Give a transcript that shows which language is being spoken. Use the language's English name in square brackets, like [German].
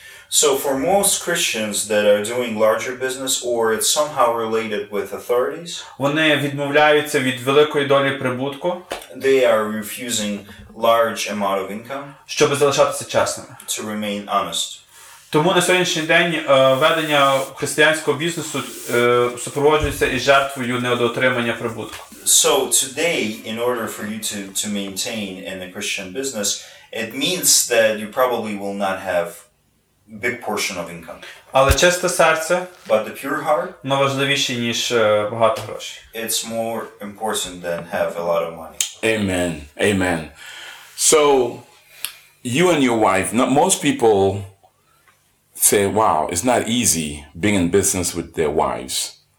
[English] so for most Christians that are doing larger business or it's somehow related with authorities, [Ukrainian] вони відмовляються від великої долі прибутку, [English] they are refusing large amount of income, [Ukrainian] щоб залишатися чесними, [English] to remain honest. [Ukrainian] Тому на сьогоднішній день ведення християнського бізнесу супроводжується і жертвою недоотримання прибутку. [English] So today, in order for you to maintain in a Christian business, it means that you probably will not have big portion of income. [Ukrainian] Але чисте серце, [English] but the pure heart, [Ukrainian] важливіше, ніж багато грошей. [English] It's more important than have a lot of money. Amen. Amen. So, you and your wife, not most people say, wow, it's not easy being in business with their wives.